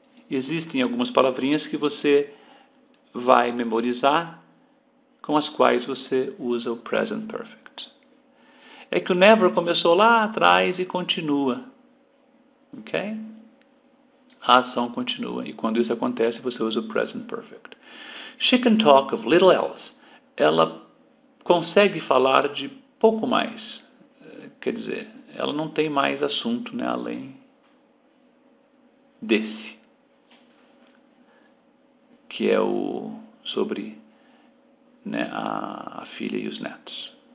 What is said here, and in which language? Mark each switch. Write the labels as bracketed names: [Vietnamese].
[Portuguese] Existem algumas palavrinhas que você vai memorizar com as quais você usa o present perfect. É que o never começou lá atrás e continua. Ok? A ação continua. E quando isso acontece, você usa o present perfect. [English] She can talk of little else. [Portuguese] Ela consegue falar de pouco mais. Quer dizer, ela não tem mais assunto, né, além desse, que é o sobre, né, a filha e os netos.